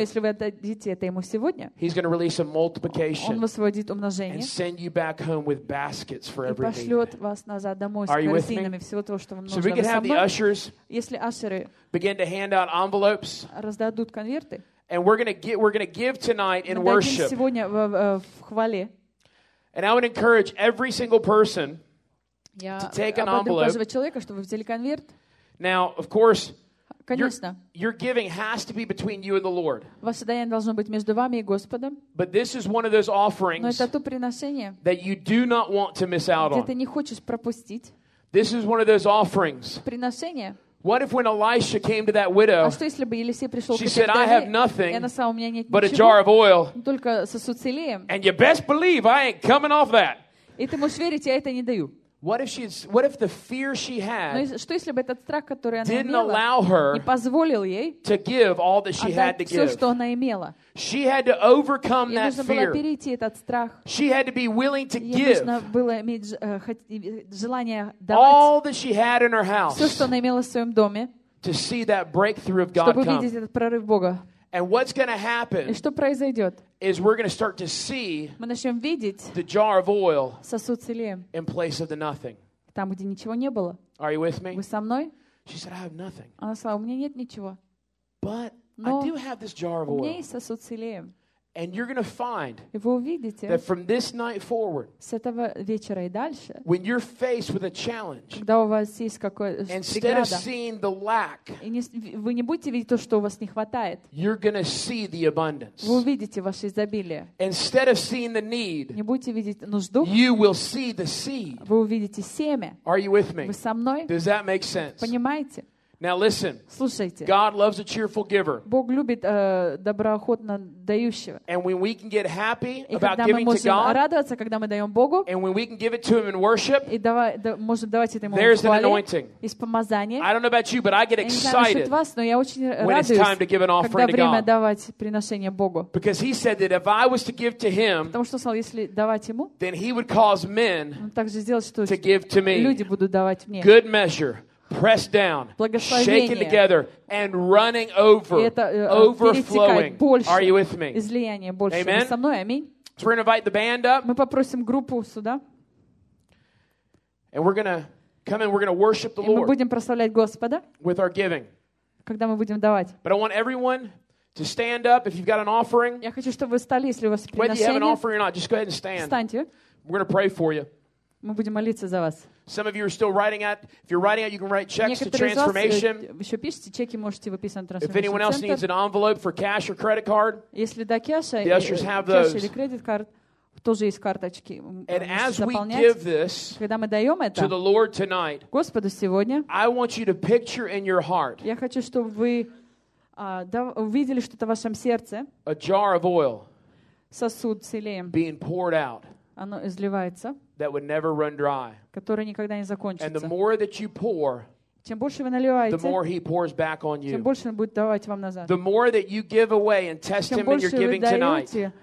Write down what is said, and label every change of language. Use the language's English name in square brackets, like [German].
[Russian] если вы отдадите это ему сегодня, [English] he's going to release a multiplication [Russian] он высвободит умножение [English] and send you back home with baskets for every need. [Russian] И пошлет вас назад домой с корзинами всего того, что вам нужно. [English] So we can have the ushers [Russian] если ашеры [English] begin to hand out envelopes, [Russian] раздадут конверты, [English] and we're going to give tonight in worship. [Russian] Сегодня в хвале. [English] And I would encourage every single person to take an envelope. [Russian] Человека, чтобы взяли конверт. [English] Now, of course, [Russian] конечно. [English] Your giving has to be between you and the Lord. [Russian] Ваше даяние должно быть между вами и Господом. [English] But this is one of those offerings. [Russian] Но это то приношение, [English] that you do not want to miss out [Russian] где [English] on. [Russian] Ты не хочешь пропустить. [English] This is one of those offerings. [Russian] Приношение. [English] What if when Elisha came to that widow, [Russian] а что, если бы Елисей пришел [English] she said, I have nothing [Russian] она, [English] but a jar of oil, [Russian] только сосуд с елеем. [English] And you best believe I ain't coming off that. [Russian] И ты можешь верить, я это не даю. [English] What if the fear she had [Russian] но, что, если бы этот страх, который она [English] didn't [Russian] имела, [English] allow her [Russian] не позволил ей [English] to give all that she had to [Russian] все, [English] give? [Russian] Что она имела. [English] She had to overcome [Russian] ей [English] that fear. [Russian] Перейти этот страх. [English] She had to be willing to [Russian] ей [English] give [Russian] нужно было иметь, желание давать [English] all that she had in her house [Russian] все, что она имела в своем доме, [English] to see that breakthrough of God [Russian] чтобы [English] come. [Russian] Увидеть этот прорыв Бога. [English] And what's going to happen [Russian] и что произойдет? [English] Is we're going to start to see [Russian] мы начнем видеть [English] the jar of oil [Russian] сосуд с елеем [English] in place of the nothing. [Russian] Там, где ничего не было. [English] Are you with me? [Russian] Вы со мной? [English] She said, I have nothing. [Russian] Она сказала, у меня нет ничего. [English] But I do have this jar of oil. [Russian] У меня есть сосуд с елеем. [English] And you're going to find [Russian] и вы увидите, [English] that from this night forward, [Russian] с этого вечера и дальше, [English] when you're faced with a challenge, [Russian] когда у вас есть какое-то преграда, [English] instead of seeing the lack, [Russian] и не, вы не будете видеть то, что у вас не хватает, [English] you're going to see the abundance. [Russian] Вы увидите ваше изобилие. [English] Instead of seeing the need, [Russian] не будете видеть нужду, [English] you will see the seed. [Russian] Вы увидите семя. [English] Are you with me? [Russian] Вы со мной? [English] Does that make sense? [Russian] Понимаете? [English] Now listen. [Russian] Слушайте. [English] God loves a cheerful giver. [Russian] Бог любит доброохотно дающего. [English] And when we can get happy [Russian] и [English] about giving to God, [Russian] радоваться, когда мы даем Богу, [English] and when we can give it to Him in worship, [Russian] и можем давать это ему [English] there's [Russian] хвале, [English] an anointing. [Russian] И с помазанием. [English] I don't know about you, but I get excited [Russian] вас, но я очень [English] when [Russian] радуюсь, [English] it's time to give an offering [Russian] когда время [English] to God. [Russian] Давать приношение Богу. [English] Because He said that if I was to give to Him, [Russian] потому что сказал, если давать ему, [English] then He would cause men [Russian] сделал, что [English] to give to me. [Russian] Люди будут давать мне. [English] Good measure. Pressed down, shaken together, and running over, overflowing. [Russian] Больше, [English] are you with me? [Russian] Излияние больше. [English] Amen. [Russian] Со мной, аминь. [English] So we're going to invite the band up. [Russian] Мы попросим группу сюда. [English] And we're going to Come and we're going to worship the Lord. [Russian] Мы будем прославлять Господа. [English] With our giving. [Russian] Когда мы будем давать. [English] But I want everyone to stand up if you've got an offering. [Russian] Я хочу, чтобы вы встали, если у вас приношение. [English] Whether you have an offering or not, just go ahead and stand. [Russian] Встаньте. [English] We're going to pray for you. [Russian] Мы будем молиться за вас. [English] Some of you are still writing out. If you're writing out, you can write checks [Russian] Некоторые [English] to Transformation. [Russian] Вы еще пишете чеки, можете выписать на Transformation. [English] If anyone else needs an envelope for cash or credit card, [Russian] если до кэша, [English] the ushers have those. [Russian] Кэш или кредит карт, тоже есть карточки. [English] And as we give this, [Russian] когда мы даем это [English] to the Lord tonight, [Russian] Господу сегодня, [English] I want you to picture in your heart, [Russian] я хочу, чтобы вы увидели что-то в вашем сердце, [English] a jar of oil, [Russian] сосуд с елеем, [English] being poured out. [Russian] Оно изливается. [English] That would never run dry. [Russian] Которая никогда не закончится. [English] And the more that you pour, [Russian] чем больше вы наливаете, [English] the more he pours back on you. [Russian] Тем больше он будет давать вам назад. [English] The more that you give away and test him in your giving tonight.